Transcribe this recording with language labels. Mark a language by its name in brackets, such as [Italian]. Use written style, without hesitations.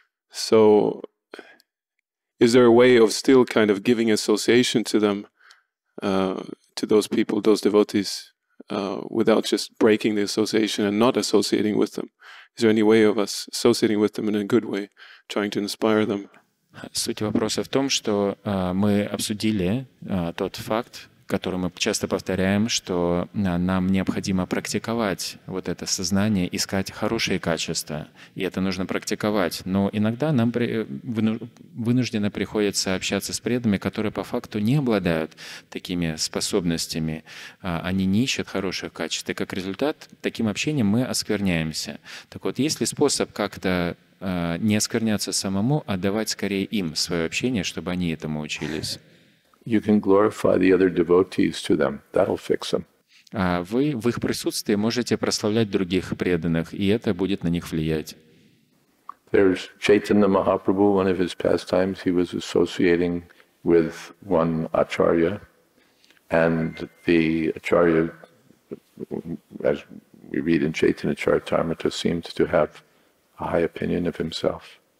[English] So is there a way of still kind of giving association to them, to those people, those devotees, without just breaking the association and not associating with them? Is there any way of us associating with them in a good way, trying to inspire them? [Russian] Суть вопроса в том, что мы обсудили тот факт, который мы часто повторяем, что нам необходимо практиковать вот это сознание, искать хорошие качества, и это нужно практиковать. Но иногда нам вынужденно приходится общаться с преданными, которые по факту не обладают такими способностями, они не ищут хороших качеств, и как результат, таким общением мы оскверняемся. Так вот, есть ли способ как-то не оскверняться самому, а давать скорее им свое общение, чтобы они этому учились? [English] You can glorify the other devotees to them. That'll fix them. [Russian] Вы в их присутствии можете прославлять других преданных, и это будет на них влиять. [English] There's Chaitanya Mahaprabhu. One of his pastimes, he was associating with one acharya, and the acharya, as we read in Chaitanya Charitamrita, seemed to have a high opinion of himself.